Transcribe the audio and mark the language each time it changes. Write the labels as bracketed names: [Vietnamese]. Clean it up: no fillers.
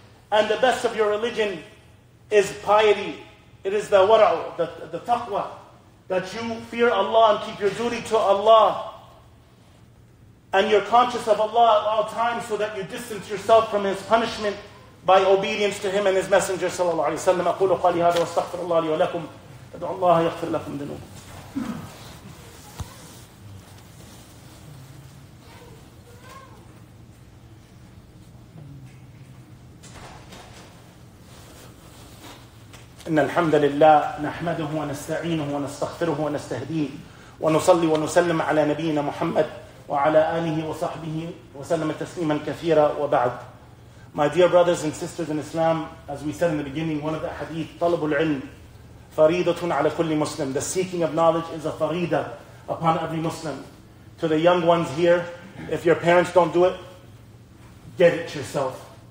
[English] And the best of your religion is piety. It is the wara'u, the taqwa, that you fear Allah and keep your duty to Allah. And you're conscious of Allah at all times so that you distance yourself from His punishment by obedience to Him and His Messenger sallallahu alayhi wa sallam. [Arabic] أقول قولي هذا واستغفر الله لي ولكم أدعو الله يغفر لكم ذنوب. إن الحمد لله نحمده ونستعينه ونستغفره ونستهديه ونصلي ونسلم على نبينا محمد وعلى آله وصحبه وسلم تسليما كثيرا وبعد. [English] My dear brothers and sisters in Islam, as we said in the beginning, one of the hadith, [Arabic] طلب العلم فريدة على كل مسلم. [English] The seeking of knowledge is a فريدة upon every Muslim. To the young ones here, if your parents don't do it, get it yourself.